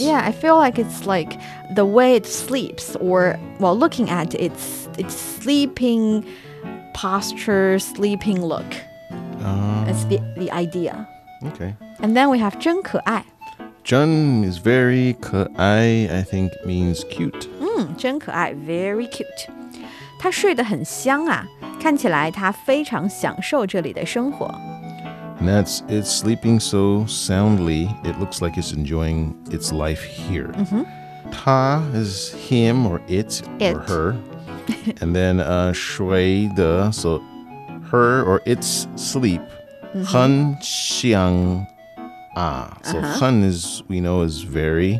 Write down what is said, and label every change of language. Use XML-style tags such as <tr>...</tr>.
<en>Yeah, I feel like it's like the way it sleeps, or, well, looking at it, it's sleeping posture, sleeping look. That's the idea. Okay. And then we have</en> <zh>真可爱.</zh> <en>真 is very 可爱, I think means cute.</en> <zh>真可爱,</zh> <en>very cute.</en> <zh>它睡得很香啊,看起来它非常享受这里的生活。</zh> <en>And that's, it's sleeping so soundly, it looks like it's enjoying its life here. Ta is him or it. Or her. And then shui de, so her or its sleep. Hun xiang a. So hun is, we know, is very.</en>